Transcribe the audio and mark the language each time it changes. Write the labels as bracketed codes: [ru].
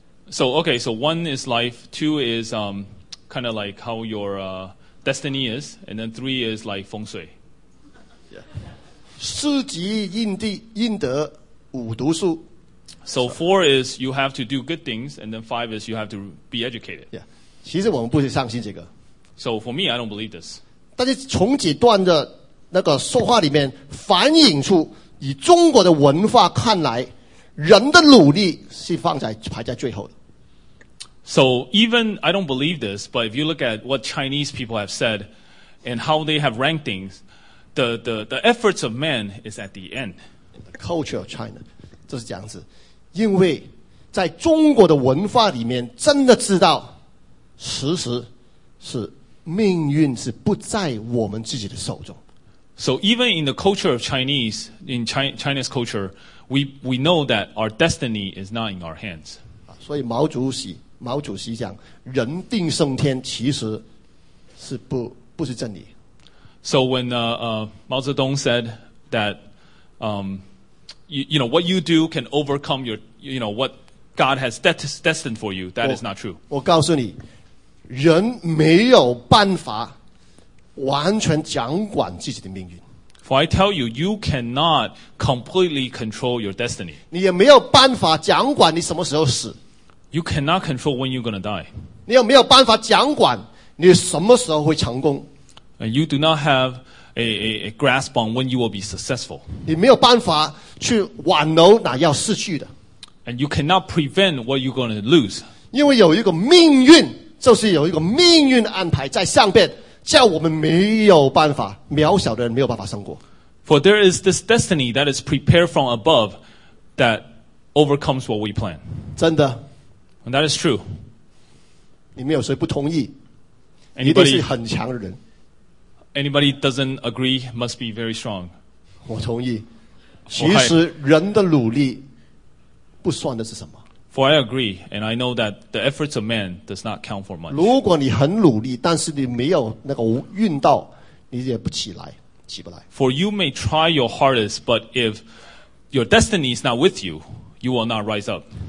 [en] So, okay, so one is life, two is kind of like how your destiny is, and then three is like feng shui. [zh] Yeah. 四积阴地阴德五读书 [en] So four is you have to do good things, and then five is you have to be educated. Yeah. [zh] 其实我们不是相信这个 [en] So for me, I don't believe this. [zh] 但是从几段的那个说话里面反映出以中国的文化看来，人的努力是放在排在最后的。 [en] So even I don't believe this, but if you look at what Chinese people have said and how they have ranked things, the efforts of man is at the end. The culture of China, [zh] 就是这样子。因为在中国的文化里面，真的知道，实时是命运是不在我们自己的手中。 [en] So even in the culture of Chinese, in China's culture, we know that our destiny is not in our hands. [zh] 所以毛主席讲, 人定胜天其实是不是真理。 [en] So when Mao Zedong said that, you know, what you do can overcome your, you know, what God has destined for you, that is not true. [zh] 我告诉你, 人没有办法完全掌管自己的命运。 [en] For I tell you, you cannot completely control your destiny. [zh] 你也没有办法掌管你什么时候死。 [en] You cannot control when you're going to die. [zh] 你也没有办法掌管你什么时候会成功。 [en] And you do not have a grasp on when you will be successful. [zh] 你没有办法去挽留那要失去的。 [en] And you cannot prevent what you're going to lose. [zh] 因为有一个命运, 就是有一个命运安排在上边, 叫我们没有办法, 渺小的人没有办法胜过。 [en] For there is this destiny that is prepared from above that overcomes what we plan. [zh] 真的。 [en] And that is true. [zh] 你没有谁不同意, [en] Anybody, [zh] 一定是很强的人。 [en] Anybody doesn't agree must be very strong. [zh] 我同意。其实人的努力, 不算的是什么? [en] For I agree, and I know that the efforts of man does not count for much. [zh] 如果你很努力, 但是你没有那个运道, 你也不起来, 起不来。 [en] For you may try your hardest, but if your destiny is not with you, you will not rise up.